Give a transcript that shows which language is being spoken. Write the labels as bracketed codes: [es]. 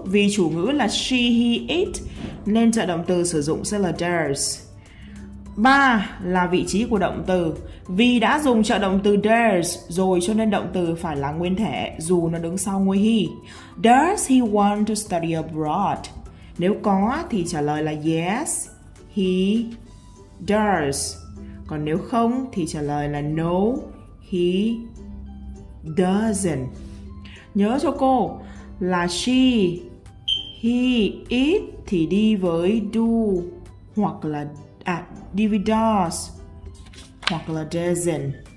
[vi] Vì chủ ngữ là she, he, it nên trợ động từ sử dụng sẽ là does. 3 là vị trí của động từ. Vì đã dùng trợ động từ does rồi cho nên động từ phải là nguyên thể dù nó đứng sau ngôi he. [en] Does he want to study abroad? [vi] Nếu có thì trả lời là [en] yes, he does. [vi] Còn nếu không thì trả lời là [en] no, he doesn't. [vi] Nhớ cho cô là she, he, it thì đi với do hoặc là đi với does hoặc là doesn't.